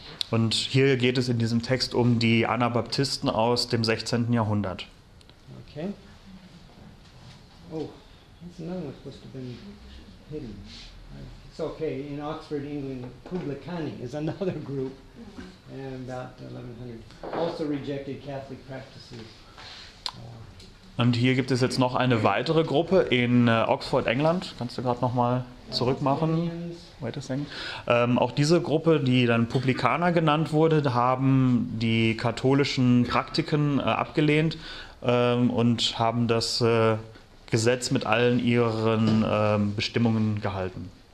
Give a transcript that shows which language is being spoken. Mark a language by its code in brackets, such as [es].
[de] Und hier geht es in diesem Text um die Anabaptisten aus dem 16. Jahrhundert. Okay. [en] Oh, that's another one supposed to have been hidden. It's okay, in Oxford, England, Publicani is another group, and about 1100, also rejected Catholic practices. [de] Und hier gibt es jetzt noch eine weitere Gruppe in Oxford, England. Kannst du gerade nochmal zurückmachen? Auch diese Gruppe, die dann Publikaner genannt wurde, haben die katholischen Praktiken abgelehnt und haben das Gesetz mit allen ihren Bestimmungen gehalten.